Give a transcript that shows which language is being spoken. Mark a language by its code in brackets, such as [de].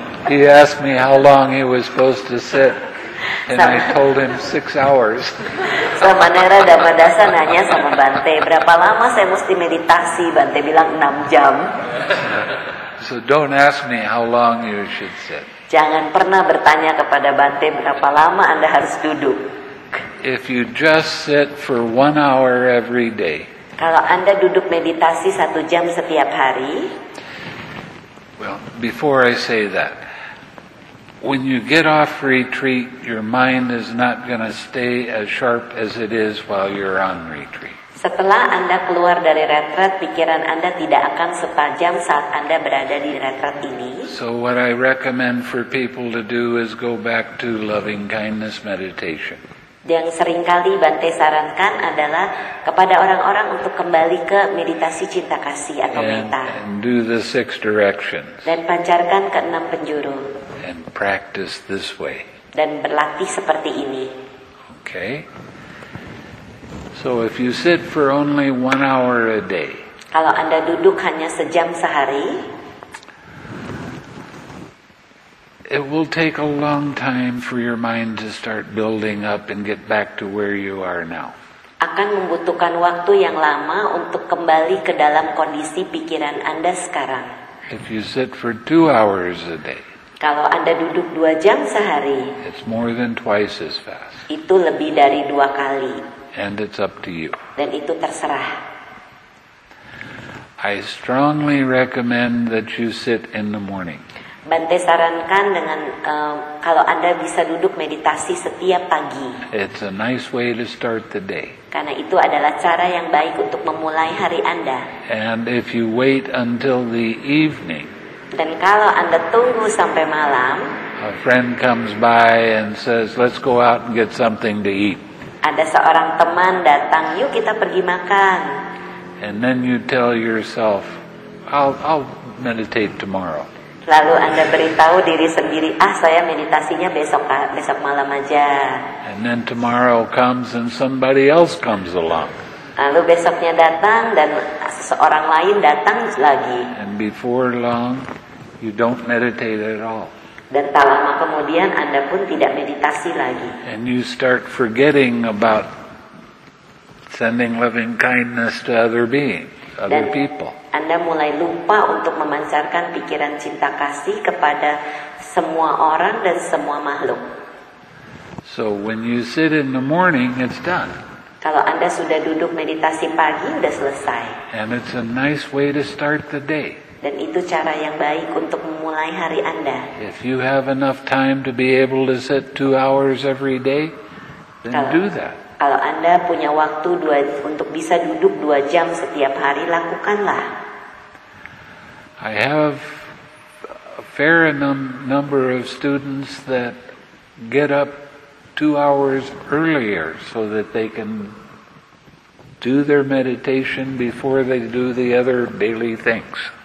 [en] He asked me how long he was supposed to sit, and I told him 6 hours. [id] Sama Nera Damadasa nanya sama Bante, berapa lama saya mesti meditasi? Bante bilang 6 jam. [en] So don't ask me how long you should sit. [id] Jangan pernah bertanya kepada Bante berapa lama Anda harus duduk. [en] If you just sit for 1 hour every day. [id] Kalau Anda duduk meditasi 1 jam setiap hari. [en] Well, before I say that, when you get off retreat, your mind is not going to stay as sharp as it is while you're on retreat. [id] Setelah Anda keluar dari retreat, pikiran Anda tidak akan setajam saat Anda berada di retreat ini. [en] So what I recommend for people to do is go back to loving kindness meditation. [id] Yang seringkali Bante sarankan adalah kepada orang-orang untuk kembali ke meditasi cinta kasih atau metta. [en] And do the 6 directions. [id] Dan pancarkan ke 6 penjuru. [en] And practice this way. [id] Dan berlatih seperti ini. [en] Okay. So if you sit for only 1 hour a day. [id] Kalau Anda duduk hanya sejam sehari. [en] It will take a long time for your mind to start building up and get back to where you are now. [id] Akan membutuhkan waktu yang lama untuk kembali ke dalam kondisi pikiran Anda sekarang. [en] If you sit for 2 hours a day. [id] Kalau Anda duduk 2 jam sehari. [en] It's more than twice as fast. [id] Itu lebih dari 2 kali. [en] And it's up to you. [id] Dan itu terserah. [en] I strongly recommend that you sit in the morning. [id] Bante sarankan dengan kalau Anda bisa duduk meditasi setiap pagi. [en] It's a nice way to start the day. [id] Karena itu adalah cara yang baik untuk memulai hari Anda. [en] And if you wait until the evening. [id] Dan kalau Anda tunggu sampai malam. [en] A friend comes by and says, "Let's go out and get something to eat." [id] Ada seorang teman datang, "Yuk kita pergi makan." [en] And then you tell yourself, "I'll meditate tomorrow." [id] Lalu Anda beritahu diri sendiri, ah saya meditasinya besok malam aja. [en] And then tomorrow comes and somebody else comes along. [id] Lalu besoknya datang dan seseorang lain datang lagi. [en] And before long, you don't meditate at all. [id] Dan tak lama kemudian Anda pun tidak meditasi lagi. [en] And you start forgetting about sending loving kindness to other beings, other people. [id] Anda mulai lupa untuk memancarkan pikiran cinta kasih kepada semua orang dan semua makhluk. [en] So when you sit in the morning, it's done. [id] Kalau Anda sudah duduk meditasi pagi, sudah selesai. [en] And it's a nice way to start the day. [id] Dan itu cara yang baik untuk memulai hari Anda. [en] If you have enough time to be able to sit 2 hours every day, then do that. [id] Kalau Anda punya waktu untuk bisa duduk 2 jam setiap hari, lakukanlah. [en] I have a fair number of students that get up 2 hours earlier so that they can do their meditation before they do the other daily things.